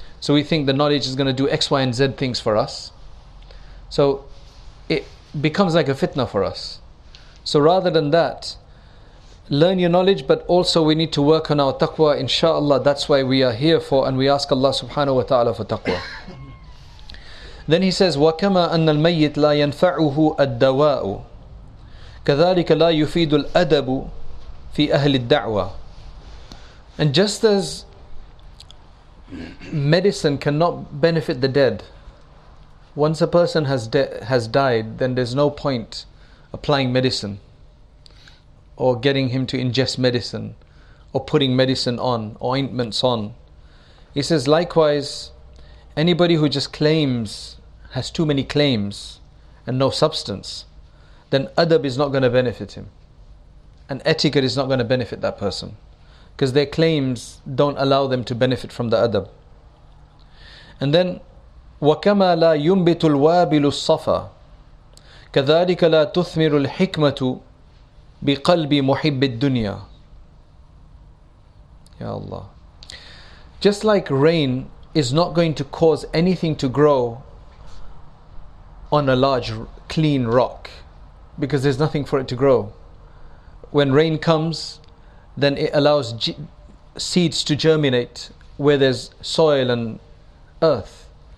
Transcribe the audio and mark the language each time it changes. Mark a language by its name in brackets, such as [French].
[English] So we think the knowledge is going to do X, Y, and Z things for us. So it becomes like a fitna for us. So rather than that, learn your knowledge, but also we need to work on our taqwa, inshaAllah. That's why we are here for, and we ask Allah subhanahu wa ta'ala for taqwa. Then he says, [Arabic] وَكَمَا أَنَّ الْمَيِّتْ لَا يَنْفَعُهُ الدَّوَاءُ كَذَلِكَ لَا يُفِيدُ الْأَدَبُ فِي أَهْلِ الدَّعْوَةِ. [English] And just as medicine cannot benefit the dead, once a person has died, then there's no point applying medicine or getting him to ingest medicine or putting medicine on, ointments on. He says, likewise, anybody who just claims, has too many claims and no substance, then adab is not going to benefit him. And etiquette is not going to benefit that person because their claims don't allow them to benefit from the adab. And then, [Arabic] وَكَمَا لَا يُنْبِتُ الْوَابِلُ الصَّفَى كَذَلِكَ لَا تُثْمِرُ الْحِكْمَةُ بِقَلْبِ مُحِبِّ الدُّنْيَا. Ya Allah. [English] Just like rain is not going to cause anything to grow on a large clean rock because there's nothing for it to grow. When rain comes, then it allows seeds to germinate where there's soil and earth.